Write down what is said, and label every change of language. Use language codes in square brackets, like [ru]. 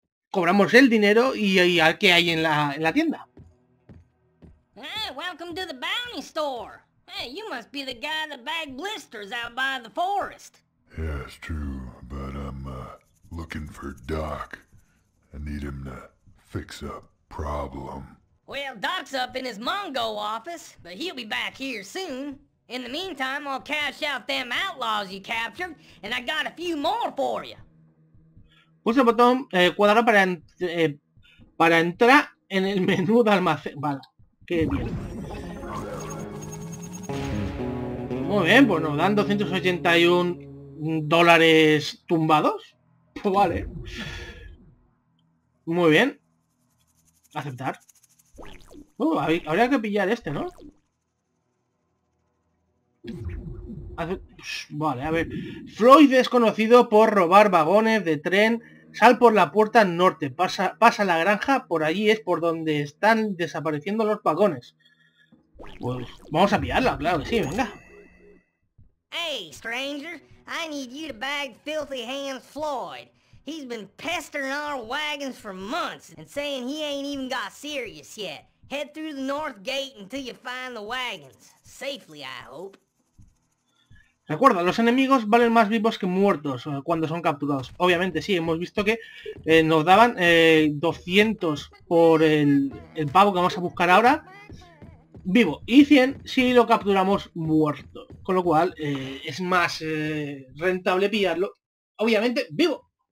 [es] Cobramos el dinero y a qué hay en la tienda. [en] Hey, welcome to the Bounty Store. Hey, you must be the guy that bagged blisters out by the forest. Yeah, it's true, but I'm looking for Doc. I need him to fix a problem. Well, Doc's up in his Mongo office, but he'll be back here soon. In the meantime, I'll cash out them outlaws you captured, and I got a few more for you. [es] Pulsa el botón cuadrado para entrar en el menú de almacén. Vale, qué bien. Muy bien, pues nos dan $281 tumbados. Pues vale. Muy bien. Aceptar. Habría que pillar este, ¿no? Vale, a ver. Floyd es conocido por robar vagones de tren. Sal por la puerta norte. Pasa la granja. Por allí es por donde están desapareciendo los vagones. Pues vamos a pillarla, claro que sí, venga. [en] Hey, stranger. I need you to bag Filthy Hands Floyd. He's been pestering our wagons for months and saying he ain't even got serious yet. Head through the north gate until you find the wagons. Safely, I hope. [es] Recuerda, los enemigos valen más vivos que muertos cuando son capturados. Obviamente, sí, hemos visto que nos daban 200 por el pavo que vamos a buscar ahora vivo. Y 100 si lo capturamos muerto. Con lo cual, es más rentable pillarlo, obviamente, vivo.